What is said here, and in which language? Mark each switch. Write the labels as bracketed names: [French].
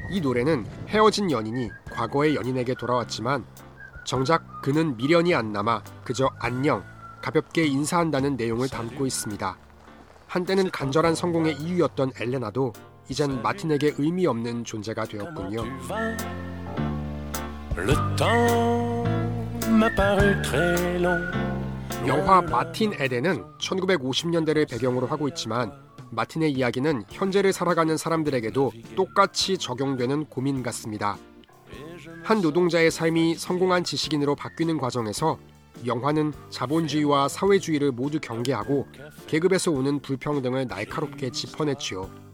[Korean] 이 노래는 헤어진 연인이 과거의 연인에게 돌아왔지만 정작 그는 미련이 안 남아 그저 안녕, 가볍게 인사한다는 내용을 담고 있습니다. 한때는 간절한 성공의 이유였던 엘레나도 이젠 마틴에게 의미 없는 존재가 되었군요. [French] Le temps m'a paru très long. [Korean] 영화 마틴 에덴은 1950년대를 배경으로 하고 있지만 마틴의 이야기는 현재를 살아가는 사람들에게도 똑같이 적용되는 고민 같습니다. 한 노동자의 삶이 성공한 지식인으로 바뀌는 과정에서 영화는 자본주의와 사회주의를 모두 경계하고 계급에서 오는 불평등을 날카롭게 짚어냈지요.